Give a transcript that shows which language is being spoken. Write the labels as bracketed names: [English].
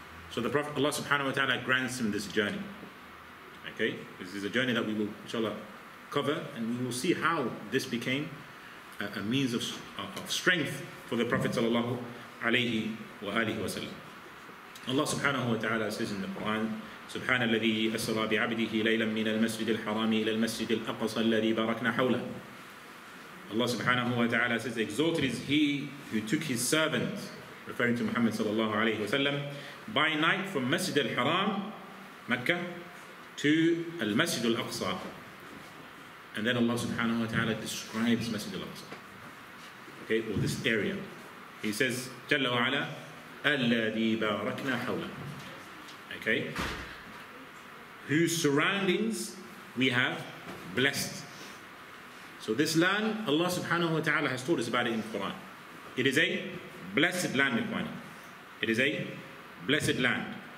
[English] So the Prophet, Allah subhanahu wa ta'ala, grants him this journey. Okay, this is a journey that we will, inshallah, cover, and we will see how this became a means of strength for the Prophet sallallahu alayhi wa alihi wa sallam. Allah subhanahu wa ta'ala says in the Quran, [Arabic] سُبْحَانَ الَّذِي أَسْرَى بِعَبْدِهِ لَيْلًا مِنَ الْمَسْجِدِ الْحَرَامِ إِلَى الْمَسْجِدِ الْأَقْصَى الَّذِي بَرَكْنَا حَوْلَهُ. [English] Allah subhanahu wa ta'ala says, exalted is he who took his servant, referring to Muhammad sallallahu alayhi wa sallam, by night from Masjid al-Haram, Mecca, to al-Masjid al-Aqsa. And then Allah subhanahu wa ta'ala describes Masjid al-Aqsa. Okay, or this area. He says, [Arabic] جَلَّ وَعَلَى أَلَّذِي بَارَكْنَا حَوْلَهُ. [English] Okay. Whose surroundings we have blessed. So this land, Allah subhanahu wa ta'ala has told us about it in the Quran. It is a blessed land, Ikhwani. It is a blessed land.